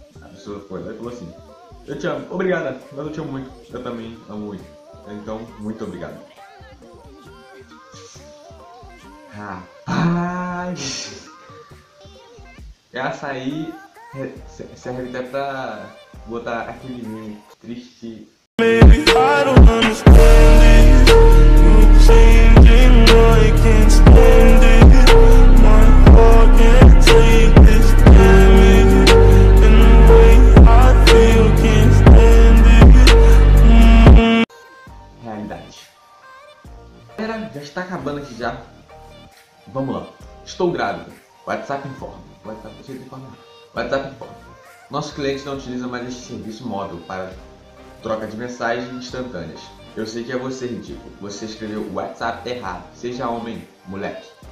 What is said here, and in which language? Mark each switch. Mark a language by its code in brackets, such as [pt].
[pt] A pessoa foi lá e falou assim: eu te amo, obrigada, mas eu te amo muito. Eu também amo muito. Então, muito obrigado. Rapaz! Essa aí serve até pra botar aquele meme triste. [en] Maybe I don't understand it. Changing, no, I can't stand it. My heart can't take this damage. And the way I feel can't stand it. [pt] Realidade. Galera, já está acabando aqui já. Vamos lá. Estou grávida. WhatsApp informa. WhatsApp informa. Nosso cliente não utiliza mais este serviço móvel para troca de mensagens instantâneas. Eu sei que é você, ridículo. Você escreveu WhatsApp errado. Seja homem, moleque.